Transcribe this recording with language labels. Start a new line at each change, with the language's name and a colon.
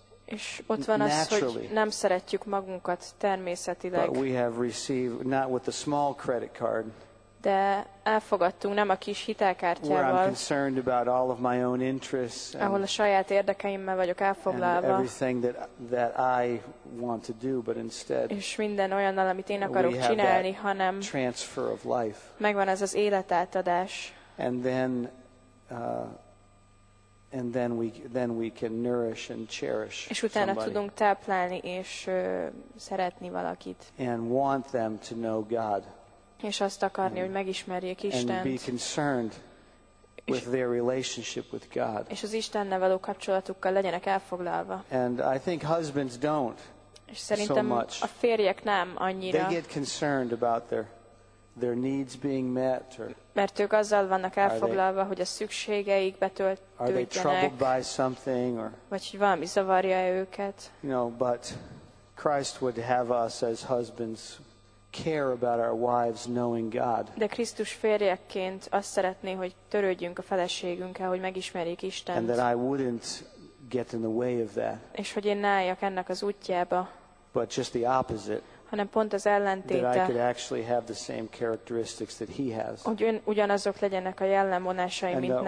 Hungarian: És ott van az, hogy nem szeretjük magunkat természetileg.
English: But we have received not with a small credit card.
Hungarian: De elfogadtunk nem a kis hitelkártyával.
English: Where I'm concerned about all of my own interests.
Hungarian: Ahol a saját érdekeimmel vagyok elfoglalva.
English: And everything that I want to do, but instead.
Hungarian: És minden olyan, amit én akarok csinálni, hanem.
English: Transfer of life.
Hungarian: Megvan ez az életátadás.
English: And then. And then we can nourish and cherish somebody.
Hungarian: És utána tudunk táplálni és szeretni valakit.
English: And want them to know God.
Hungarian: És azt akarni, hogy megismerjék Istent.
English: And be concerned with their relationship with God.
Hungarian: És az Istennel való kapcsolatukkal legyenek elfoglalva.
English: And I think husbands don't.
Hungarian: És szerintem a férjek nem annyira.
English: They get concerned about their needs being met, or
Hungarian: mert ők azzal vannak elfoglalva, hogy a szükségeik betöltődjenek.
English: Are they troubled by something, or
Hungarian: vagy hogy valami zavarja őket?
English: You know, but Christ would have us as husbands care about our wives knowing God.
Hungarian: De Krisztus férjekként azt szeretné, hogy törődjünk a feleségünkkel, hogy megismerjék Istent.
English: And that I wouldn't get in the way of that.
Hungarian: És hogy én ne álljak ennek az útjába.
English: But just the opposite.
Hungarian: Hanem pont az ellentéte.
English: That I could actually have the same characteristics that he has.
Hungarian: Hogy ugyanazok legyenek a jellemvonásai, mint neki.